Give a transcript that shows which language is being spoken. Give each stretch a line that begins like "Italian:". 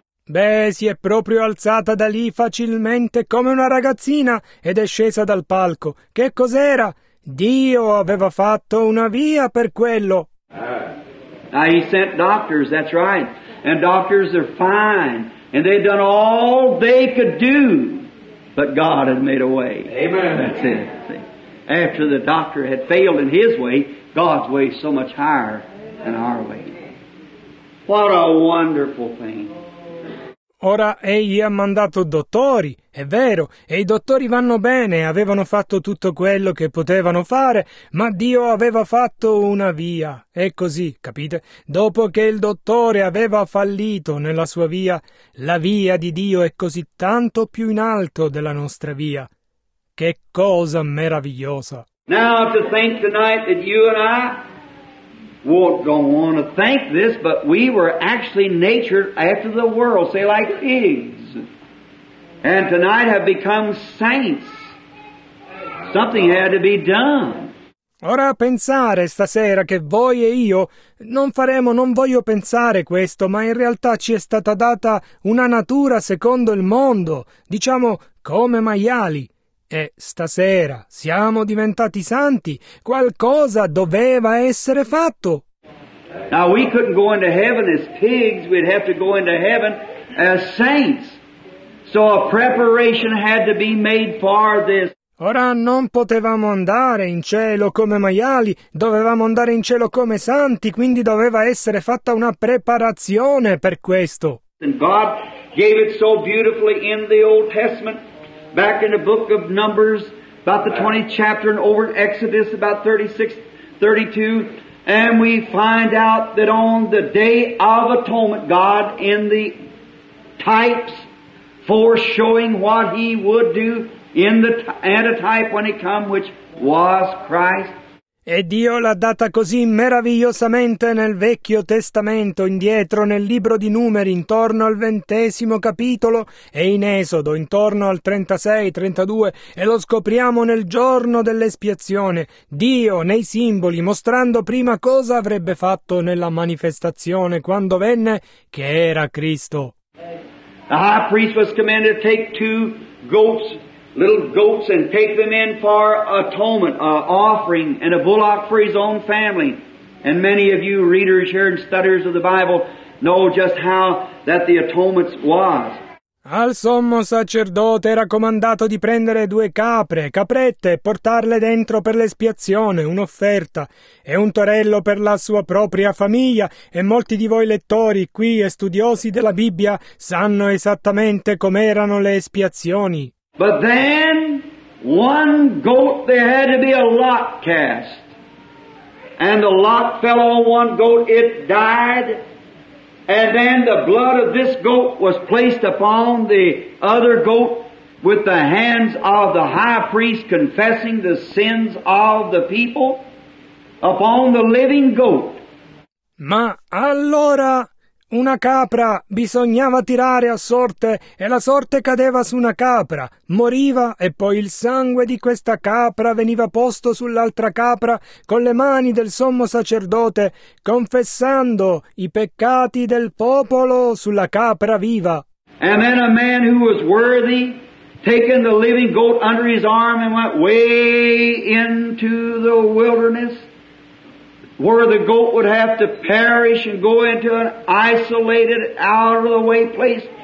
Italian: Beh, si è proprio alzata da lì facilmente come una ragazzina ed è scesa dal palco. Che cos'era? Dio aveva fatto una via per quello.
English: Now he sent doctors, that's right. And doctors are fine. And they've done all they could do. But God had made a way. Amen. That's it. After the doctor had failed in his way, God's way is so much higher than our way. What a wonderful thing.
Italian: Ora egli ha mandato dottori, è vero, e i dottori vanno bene, avevano fatto tutto quello che potevano fare, ma Dio aveva fatto una via. E così, capite? Dopo che il dottore aveva fallito nella sua via, la via di Dio è così tanto più in alto della nostra via. Che cosa meravigliosa!
English: Now to think tonight that you and I won't go on to think this, but we were actually natured after the world, say like pigs, and tonight have become saints. Something had to be done.
Italian: Ora pensare stasera che voi e io non faremo, non voglio pensare questo, ma in realtà ci è stata data una natura secondo il mondo, diciamo come maiali. E stasera siamo diventati santi. Qualcosa doveva essere fatto.
English: Now we couldn't go into heaven as pigs. We'd have to go into heaven as saints. So a preparation had to be made for this.
Italian: Ora non potevamo andare in cielo come maiali. Dovevamo andare in cielo come santi. Quindi doveva essere fatta una preparazione per questo.
English: And God gave it so beautifully in the Old Testament. Back in the book of Numbers, about the 20th chapter, and over in Exodus, about 36, 32, and we find out that on the Day of Atonement, God, in the types, foreshowing what He would do in the antitype when He come, which was Christ.
Italian: E Dio l'ha data così meravigliosamente nel Vecchio Testamento, indietro nel libro di Numeri, intorno al 20° capitolo, e in Esodo, intorno al 36-32, e lo scopriamo nel giorno dell'espiazione. Dio, nei simboli, mostrando prima cosa avrebbe fatto nella manifestazione quando venne, che era Cristo.
English: The high priest was commanded to take 2 goats. Little goats, and take them in for atonement, an offering, and a bullock for his own family. And many of you readers here and studiers of the Bible know just how that the atonement was.
Italian: Al sommo sacerdote era comandato di prendere 2 caprette, e portarle dentro per l'espiazione, un'offerta, e un torello per la sua propria famiglia, e molti di voi lettori qui e studiosi della Bibbia sanno esattamente com'erano le espiazioni.
English: But then, one goat, there had to be a lot cast. And the lot fell on one goat, it died. And then the blood of this goat was placed upon the other goat with the hands of the high priest confessing the sins of the people upon the living goat.
Italian: Ma allora, una capra bisognava tirare a sorte e la sorte cadeva su una capra, moriva e poi il sangue di questa capra veniva posto sull'altra capra con le mani del sommo sacerdote, confessando i peccati del popolo sulla capra viva.
English: And then a man who was worthy, taking the living goat under his arm and went way into the wilderness, where the goat would have to perish and go into an isolated, out-of-the-way place.